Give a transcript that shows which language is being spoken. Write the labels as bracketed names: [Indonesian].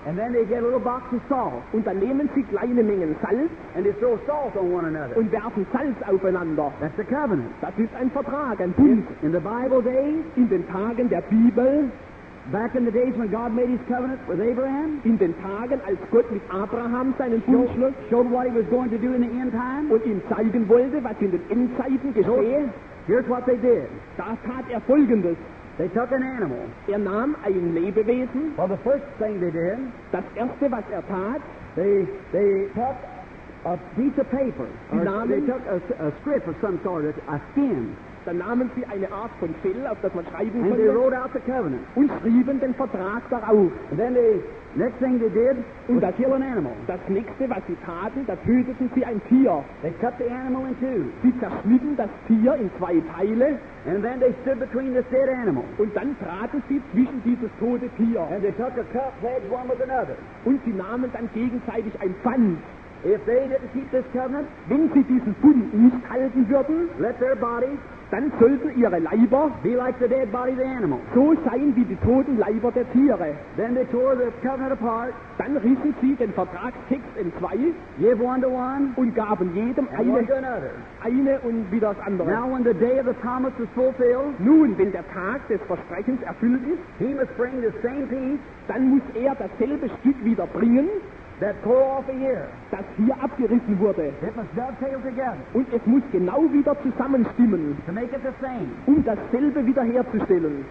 [English] and then they get a little box of salt. [German] Und dann nehmen sie kleine Mengen Salz [English] and they throw salt on one another. [German] Und werfen Salz aufeinander. [English] That's a covenant. [German] Das ist ein Vertrag, ein Bund. [English] In the Bible days, [German] in den Tagen der Bibel, [English] back in the days when God made his covenant with Abraham, [German] in den Tagen, als Gott mit Abraham seinen Bund schloss, [English] showed what he was going to do in the end time, [German] und ihm zeigen wollte, was in den Endzeiten geschehe, [English] here's what they did. [German] Da tat er Folgendes. [English] They took an animal. [German] Er nahm ein Lebewesen. [English] Well, the first thing they did, [German] das Erste, was er tat, [English] They took a piece of paper. [German] Namen, [English] they took a strip of some sort, a skin. [German] Dann nahmen sie eine Art von Fell, auf das man schreiben [English] and They wrote out the covenant. [German] Und schrieben den Vertrag darauf. [English] And then they, next thing they did, [German] und [English] was kill an animal. [German] Das nächste, was sie taten, da töteten sie ein Tier. [English] They cut the animal in two. [German] Sie zerschnitten das Tier in zwei Teile. [English] And then they stood between the dead animal. [German] Und dann traten sie zwischen dieses tote Tier. [English] And they took a cup, pledged one with another. [German] Und sie nahmen dann gegenseitig ein Pfand. [English] If they didn't keep this covenant, [German] wenn sie diesen Bund nicht halten würden, [English] let their body, [German] dann sollten ihre Leiber [English] be like the dead body of the animal. [German] So sein wie die toten Leiber der Tiere. [English] Then they tore the covenant apart, [German] dann rissen sie den Vertragstext in zwei, [English] gave one to one, [German] und gaben jedem eine und wieder das andere. [English] Now when the day of the promise is fulfilled, [German] nun, wenn der Tag des Versprechens erfüllt ist, [English] he must bring the same piece, [German] dann muss er dasselbe Stück wieder bringen, [English] that tore off a year, [German] das hier abgerissen wurde. [English] It must dovetail together, [German] und es muss genau wieder zusammenstimmen, [English] to make it the same, [German] um dasselbe wiederherzustellen.